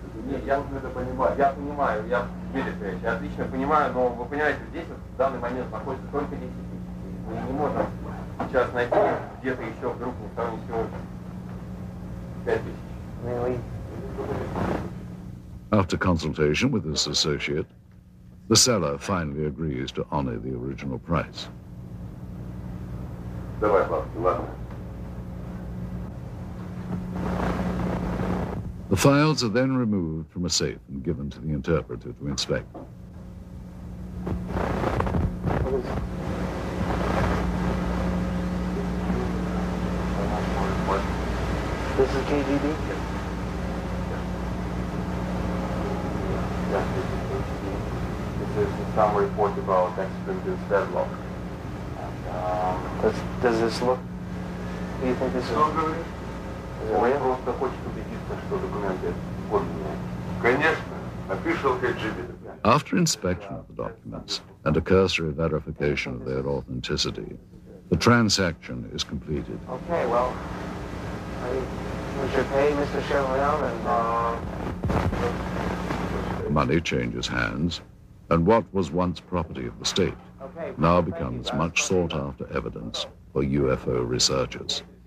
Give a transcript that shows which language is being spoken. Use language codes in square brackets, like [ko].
[ru] Нет, я должен это понимать. Я понимаю, я Дмитрий, отлично понимаю, но вы понимаете, здесь вот в данный момент находится только 10,000. Мы не можем сейчас найти где-то еще в группу, там еще 5,000. [en] After consultation with his associate, the seller finally agrees to honor the original price. The files are then removed from a safe and given to the interpreter to inspect. This is KGB? Some report about extrajudicial deadlock. Does this look? Do you think this is? Is it real? [ru] Просто хочет убедиться, что документы подлинные. Конечно, [en] official KGB. After inspection of the documents and a cursory verification of their authenticity, the transaction is completed. Okay, well, we should pay Mr. Chevron and... Money changes hands, and what was once property of the state now becomes much sought-after evidence for UFO researchers.